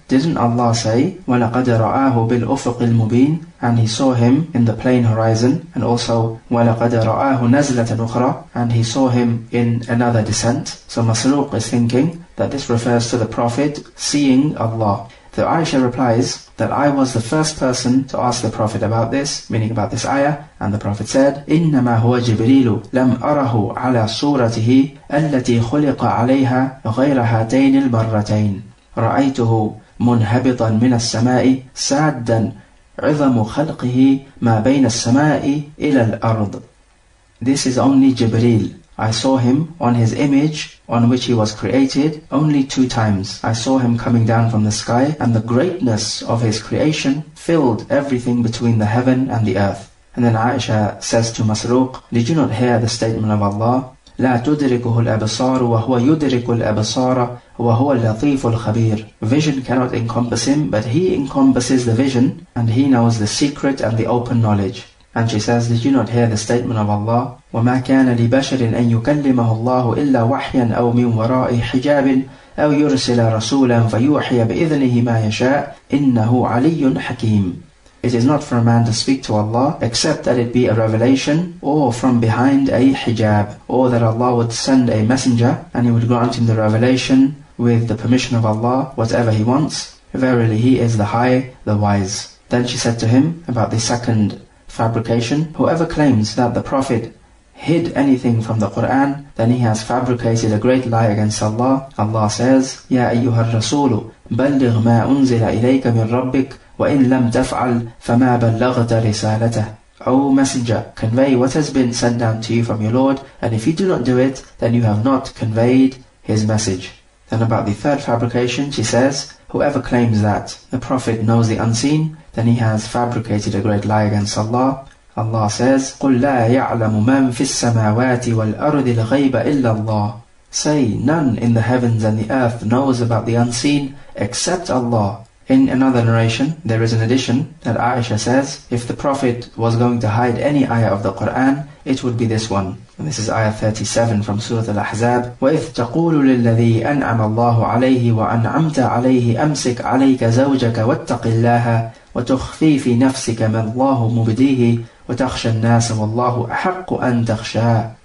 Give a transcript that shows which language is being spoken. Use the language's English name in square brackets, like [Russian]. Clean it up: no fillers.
[English] Didn't Allah say, [Arabic] وَلَقَدْ رَآهُ بِالْأُفُقِ الْمُبِينِ, [English] and he saw him in the plain horizon, and also, [Arabic] وَلَقَدْ رَآهُ نَزْلَةً أُخْرَى, [English] and he saw him in another descent. So Masruq is thinking that this refers to the Prophet seeing Allah. So Aisha replies that I was the first person to ask the Prophet about this, meaning about this ayah, and the Prophet said, [Arabic] إِنَّمَا هُوَ جِبْرِيلُ لَمْ أَرَهُ عَلَى صُورَتِهِ أَلَّتِي خُلِقَ عَلَيْهَا غَيْرَ هَاتَيْنِ الْمَرَّتَيْنِ رَأَيْتُهُ مُنْهَبِطًا مِنَ السَّمَاءِ سَادًّا عِظَمُ خَلْقِهِ مَا بَيْنَ السَّمَاءِ إِلَى الْأَرْضِ. [English] This is only Jibreel. I saw him on his image on which he was created only two times. I saw him coming down from the sky, and the greatness of his creation filled everything between the heaven and the earth. And then Aisha says to Masruq, did you not hear the statement of Allah? [Arabic] لا تدركه الأبصار وهو يدرك الأبصار وهو اللطيف الخبير. [English] Vision cannot encompass him, but he encompasses the vision, and he knows the secret and the open knowledge. And she says, did you not hear the statement of Allah? [Arabic] وَمَا كَانَ لِبَشَرٍ أَن يُكَلِّمَهُ اللَّهُ إِلَّا وَحْيًا أَوْ مِنْ وَرَاءِ حِجَابٍ أَوْ يُرْسِلَ رَسُولًا فَيُوحِيَ بِإِذْنِهِ مَا يَشَاءُ إِنَّهُ عَلِيٌّ حَكِيمٌ. [English] It is not for a man to speak to Allah except that it be a revelation or from behind a hijab, or that Allah would send a messenger and he would grant him the revelation with the permission of Allah, whatever he wants. Verily, he is the high, the wise. Then she said to him about the second fabrication, whoever claims that the Prophet hid anything from the Qur'an, then he has fabricated a great lie against Allah. Allah says, [Arabic] يَا أَيُّهَا الرَّسُولُ بَلِّغْ مَا أُنزِلَ إِلَيْكَ مِنْ رَبِّكَ وَإِنْ لَمْ تَفْعَلْ فَمَا بَلَّغْتَ رِسَالَتَهُ. [English] O Messenger, convey what has been sent down to you from your Lord, and if you do not do it, then you have not conveyed his message. Then about the third fabrication, she says, whoever claims that the Prophet knows the unseen, then he has fabricated a great lie against Allah. Allah says, [Arabic] قُلْ لَا يَعْلَمُ مَنْ فِي السَّمَاوَاتِ وَالْأَرْضِ الْغَيْبَ إِلَّا اللَّهِ. [English] Say, none in the heavens and the earth knows about the unseen except Allah. In another narration, there is an addition that Aisha says, if the Prophet was going to hide any ayah of the Qur'an, it would be this one. And this is ayah 37 from Surah Al-Ahzab. [Arabic] وَإِذْ تَقُولُ لِلَّذِي أَنْعَمَ اللَّهُ عَلَيْهِ وَأَنْعَمْتَ عَلَيْهِ أَمْسِكْ عَلَيْكَ زَوْجَكَ وَاتَّقِ اللَّهَ وَتُخْفِي فِي نَفْسِكَ مَا اللَّهُ مُبْدِيهِ وَتَخْشَى النَّاسَ وَاللَّهُ أَحَقُّ أَنْ تَخْشَاهُ.